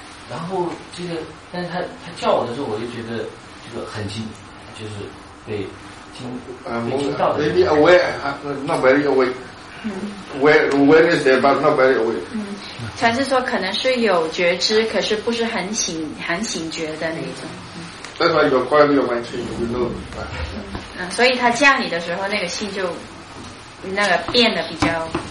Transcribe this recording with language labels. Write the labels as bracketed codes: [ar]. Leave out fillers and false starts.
[zh] 然后这个，但是他叫我的时候，我就觉得这个很清，就是被听到的。 [en] Maybe aware, not very aware. Where is there, but not very aware. [zh] 禅师说可能是有觉知，可是不是很醒觉的那种。 [en] That's why your quality of mind change, you know. [zh] 所以他叫你的时候，那个心就那个变得比较。